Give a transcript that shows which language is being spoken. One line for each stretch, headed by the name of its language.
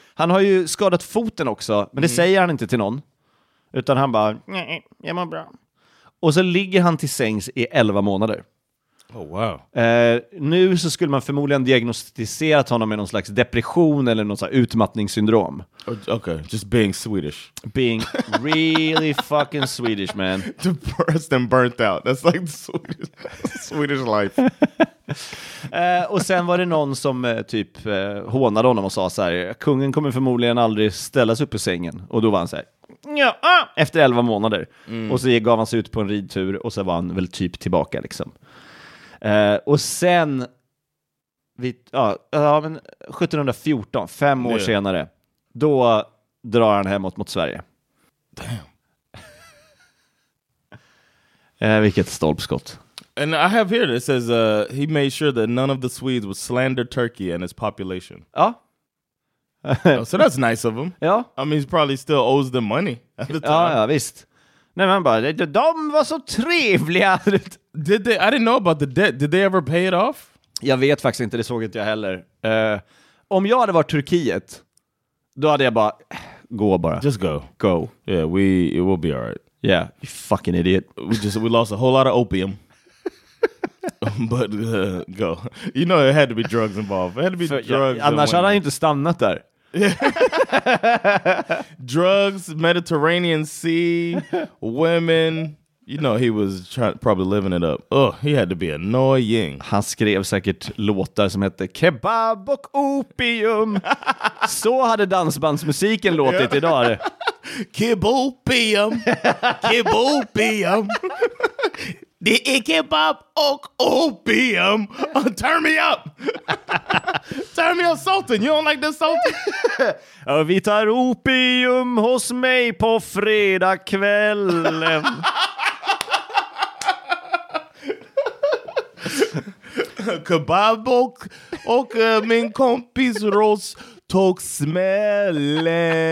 Swedish: Han har ju skadat foten också, men det säger han inte till någon. Utan han bara, nej, jag mår bra. Och så ligger han till sängs i 11 månader.
English: Oh, wow.
Swedish: Nu så skulle man förmodligen diagnostisera honom med någon slags depression eller någon slags utmattningssyndrom.
English: Okay, just being Swedish. Being really fucking Swedish, man. Depressed and burnt out. That's like the Swedish life.
Swedish: Och sen var det någon som typ hånade honom och sa så här, kungen kommer förmodligen aldrig ställas upp i sängen. Och då var han så här, ja, efter 11 månader. Mm. Och så gav han sig ut på en ridtur och så var han väl typ tillbaka liksom. Och sen men 1714, 5 år senare, då drar han hemåt mot Sverige.
English: Damn.
Swedish: Vilket stolpskott.
English: And I have here it says he made sure that none of the Swedes would slander Turkey and its population.
Swedish: Ja.
English: Oh, so that's nice of him.
Swedish: Ja.
English: I mean, he probably still owes them money at the time.
Swedish: Ja, visst. Nej, men bara, de var så trevliga.
English: I didn't know about the debt. Did they ever pay it off?
Swedish: Jag vet faktiskt inte, det såg inte jag heller. Om jag hade varit Turkiet, då hade jag bara, gå bara.
English: Just go. Go. Yeah, it will be alright. Yeah, you fucking idiot. We lost a whole lot of opium. But go. You know it had to be drugs involved. It had to be for drugs.
Swedish: Annars hade han inte stannat där.
English: Drugs, Mediterranean Sea, women. You know he was probably living it up. Oh, he had to be annoying.
Swedish: Han skrev säkert låtar som hette Kebab och opium. Så hade dansbandsmusiken låtit idag. Kebopium. Kebopium. Det är kebab och opium.
English: Turn me up. Turn me up, Sultan. You don't like the Sultan?
Swedish: Vi tar opium hos mig på fredag kvällen. Kebab och min kompis Ross tog smällen.